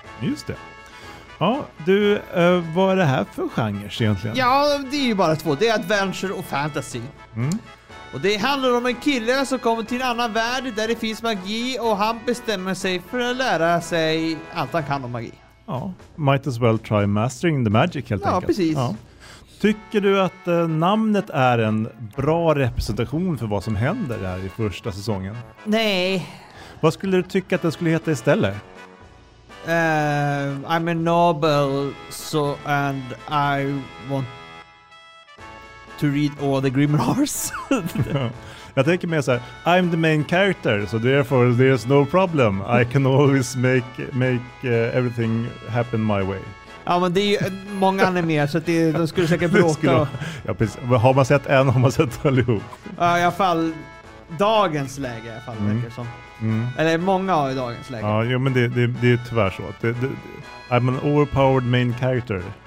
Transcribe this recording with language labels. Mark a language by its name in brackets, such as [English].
[Swedish] Just det. Ja, du, vad är det här för genre egentligen? Ja, det är ju bara två. Det är adventure och fantasy. Mm. Och det handlar om en kille som kommer till en annan värld där det finns magi och han bestämmer sig för att lära sig allt han kan om magi. Ja, [English] might as well try mastering the magic [Swedish] helt ja, enkelt. Precis. Ja, precis. Tycker du att namnet är en bra representation för vad som händer här i första säsongen? Nej. Vad skulle du tycka att det skulle heta istället? [English] I'm a noble, so and I want to read all the grimoires. [Swedish] Jag tänker mer så här, [English] I'm the main character, so therefore there's no problem. I can always make everything happen my way. [Swedish] Ja, men det är ju många anime, så det, de skulle säkert bråka. Skulle, ja, precis. Har man sett en, har man sett allihop. Ja, i alla fall dagens läge, i alla fall, verkar som. Mm. Eller många av dagens läge. Ja, jo, men det är tyvärr så. [English] I'm an overpowered main character.